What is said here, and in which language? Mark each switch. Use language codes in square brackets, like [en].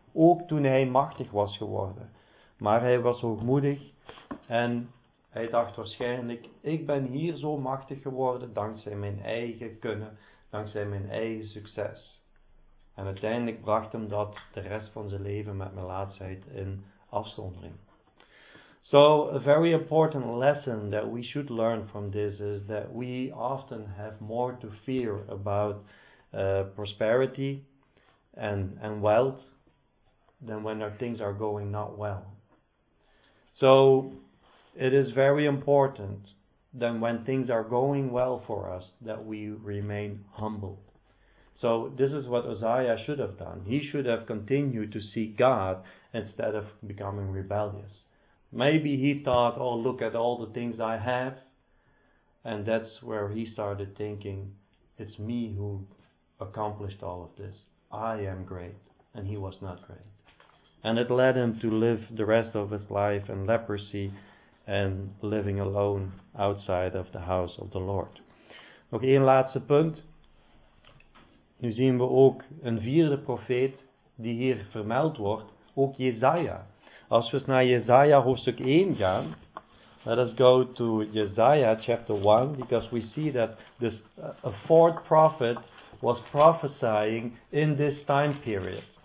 [nl] Ook toen hij machtig was geworden. Maar hij was hoogmoedig. En hij dacht waarschijnlijk, ik ben hier zo machtig geworden dankzij mijn eigen kunnen. Dankzij mijn eigen succes. En uiteindelijk bracht hem dat de rest van zijn leven met melaatsheid in afzondering. [en] So, a very important lesson that we should learn from this is that we often have more to fear about prosperity and wealth than when our things are going not well. So, it is very important that when things are going well for us, that we remain humble. So, this is what Uzziah should have done. He should have continued to seek God instead of becoming rebellious. Maybe he thought, oh, look at all the things I have. And that's where he started thinking, it's me who accomplished all of this. I am great. And he was not great. And it led him to live the rest of his life in leprosy and living alone outside of the house of the Lord. [nl] Nog één laatste punt. Nu zien we ook een vierde profeet die hier vermeld wordt, ook Jesaja. Als we eens naar Jesaja hoofdstuk 1 gaan, [en] let us go to Jesaja chapter 1, because we see that this a fourth prophet was prophesying in this time period.